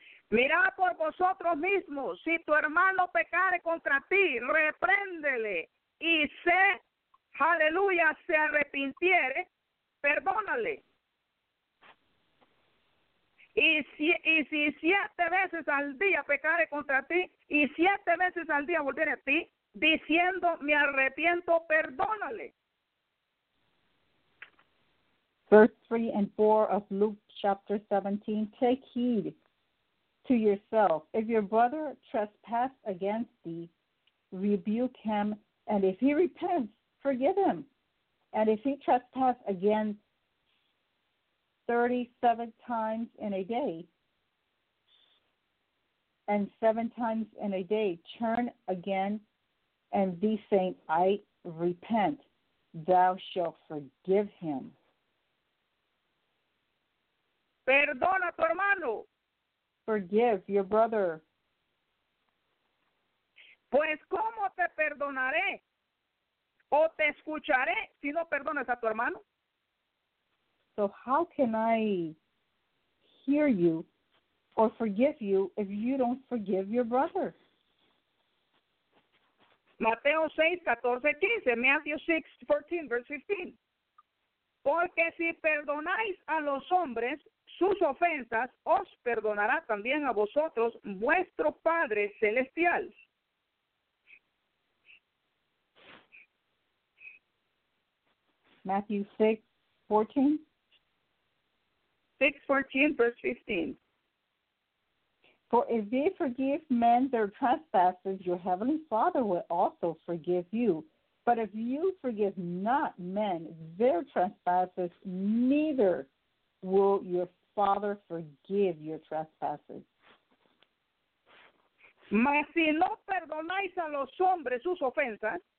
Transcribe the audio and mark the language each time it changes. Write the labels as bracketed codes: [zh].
[es] Mirad por vosotros mismos, si tu hermano pecare contra ti, repréndele y sé, aleluya, se arrepintiere, perdónale. Y si siete veces al día pecare contra ti, y siete veces al día volviere a ti, diciendo, me arrepiento, perdónale. [en] Verse 3 and 4 of Luke chapter 17, take heed to yourself. If your brother trespass against thee, rebuke him, and if he repents, forgive him. And if he trespass again 37 times in a day, and 7 times in a day, turn again and be saying, I repent, thou shalt forgive him. [es] Perdona tu hermano. [en] Forgive your brother. [es] Pues cómo te perdonaré o te escucharé si no perdonas a tu hermano. [en] So how can I hear you or forgive you if you don't forgive your brother? Mateo 6:14-15, Matthew 6:14, verse 15. [es] Porque si perdonáis a los hombres sus ofensas, os perdonará también a vosotros vuestro Padre Celestial. [en] Matthew 6:14. 6:14, verse 15. For if ye forgive men their trespasses, your heavenly Father will also forgive you. But if you forgive not men their trespasses, neither will your Father forgive your trespasses. [es] Mas si no perdonáis a los hombres sus ofensas,